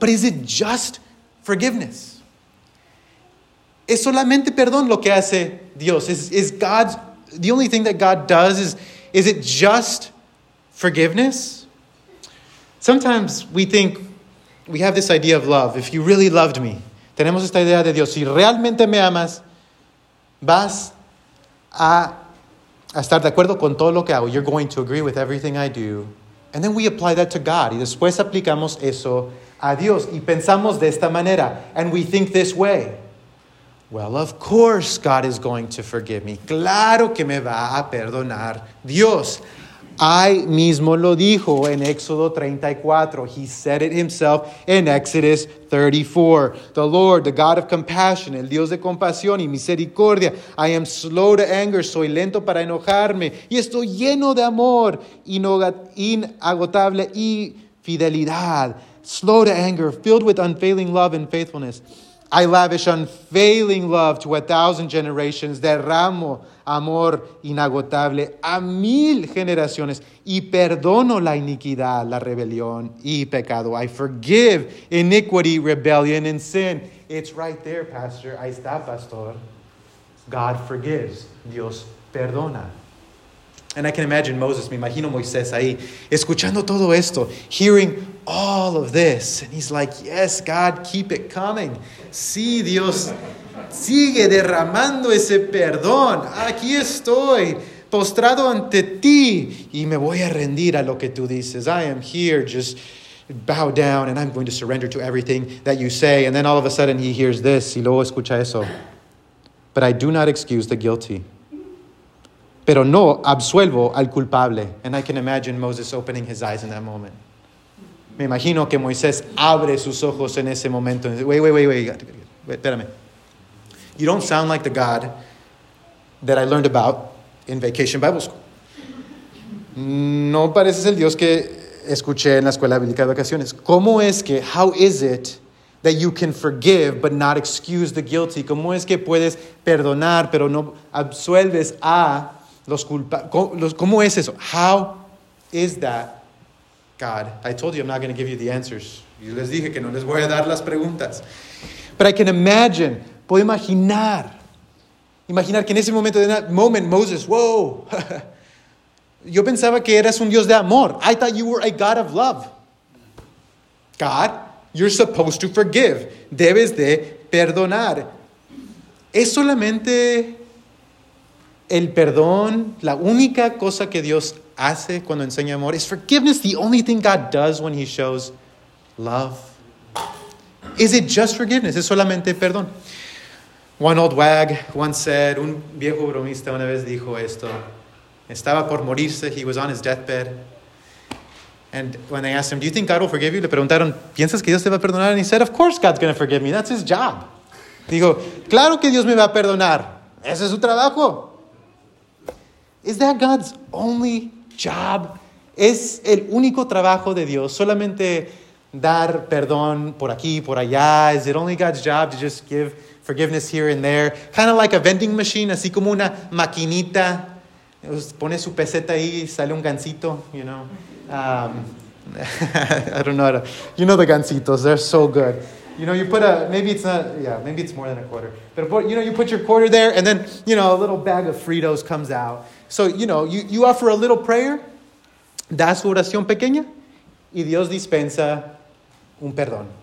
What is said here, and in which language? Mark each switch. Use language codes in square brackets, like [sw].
[en] But is it just forgiveness? [es] Es solamente perdón lo que hace Dios. [en] Is God's, the only thing that God does is it just forgiveness? Sometimes we think, we have this idea of love. If you really loved me, [es] tenemos esta idea de Dios. Si realmente me amas, vas a estar de acuerdo con todo lo que hago. [en] You're going to agree with everything I do. And then we apply that to God. [es] Y después aplicamos eso a Dios. Y pensamos de esta manera. [en] And we think this way. Well, of course God is going to forgive me. [es] Claro que me va a perdonar Dios. I mismo lo dijo en Éxodo 34. [en] He said it himself in Exodus 34. The Lord, the God of compassion, [es] el Dios de compasión y misericordia. [en] I am slow to anger, [es] soy lento para enojarme. Y estoy lleno de amor, inagotable y fidelidad. [en] Slow to anger, filled with unfailing love and faithfulness. I lavish unfailing love to 1,000 generations. [es] Derramo amor inagotable a 1,000 generaciones. Y perdono la iniquidad, la rebelión y pecado. [en] I forgive iniquity, rebellion, and sin. It's right there, Pastor. [es] Ahí está, Pastor. [en] God forgives. [es] Dios perdona. [en] And I can imagine Moses, [es] me imagino Moisés ahí, escuchando todo esto, [en] hearing all of this. And he's like, yes, God, keep it coming. [es] Sí, Dios, sigue derramando ese perdón. Aquí estoy, postrado ante ti, y me voy a rendir a lo que tú dices. [en] I am here, just bow down, and I'm going to surrender to everything that you say. And then all of a sudden he hears this, [es] y luego escucha eso. [en] But I do not excuse the guilty. [es] Pero no absuelvo al culpable. [en] And I can imagine Moses opening his eyes in that moment. [es] Me imagino que Moisés abre sus ojos en ese momento. [en] Wait. [es] Espérame. [en] You don't sound like the God that I learned about in Vacation Bible School. [es] No pareces el Dios que escuché en la escuela bíblica de vacaciones. ¿Cómo es que, [en] how is it that you can forgive but not excuse the guilty? [es] ¿Cómo es que puedes perdonar pero no absuelves a los culpables? ¿Cómo es eso? [en] How is that, God? I told you I'm not going to give you the answers. [es] Yo les dije que no les voy a dar las preguntas. [en] But I can imagine, [es] puedo imaginar. Imaginar que en ese momento, [en] in that moment, Moses, whoa. [es] Yo pensaba que eras un Dios de amor. [en] I thought you were a God of love. God, you're supposed to forgive. [es] Debes de perdonar. Es solamente el perdón, la única cosa que Dios hace cuando enseña amor. [en] Is forgiveness the only thing God does when he shows love? Is it just forgiveness? [es] Es solamente perdón. [en] One old wag once said, [es] un viejo bromista una vez dijo esto. Estaba por morirse. [en] He was on his deathbed. And when they asked him, do you think God will forgive you? [es] Le preguntaron, ¿piensas que Dios te va a perdonar? [en] And he said, of course God's going to forgive me. That's his job. [es] Digo, claro que Dios me va a perdonar. Ese es su trabajo. [en] Is that God's only job? [es] ¿Es el único trabajo de Dios? ¿Solamente dar perdón por aquí, por allá? [en] Is it only God's job to just give forgiveness here and there? Kind of like a vending machine, [es] así como una maquinita. Pone su peseta ahí, sale un gansito, you know. [en] I don't know how to, you know the gansitos, they're so good. You know, you put a, maybe it's not, yeah, maybe it's more than a quarter. But, you know, you put your quarter there and then, you know, a little bag of Fritos comes out. So, you know, you offer a little prayer, [es] das oración pequeña, y Dios dispensa un perdón.